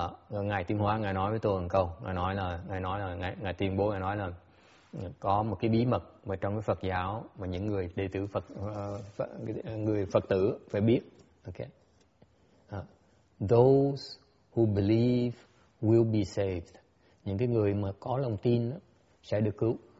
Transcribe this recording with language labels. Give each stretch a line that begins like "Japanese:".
Vietnamese: Ngài Tiên Hóa, ngài nói với tôi một câu, ngài nói là có một cái bí mật mà trong cái Phật giáo mà những người đệ tử Phật, người Phật tử phải biết.
English: Okay. Those who believe will be saved.
Vietnamese: Những cái người mà có lòng tin đó, sẽ được cứu.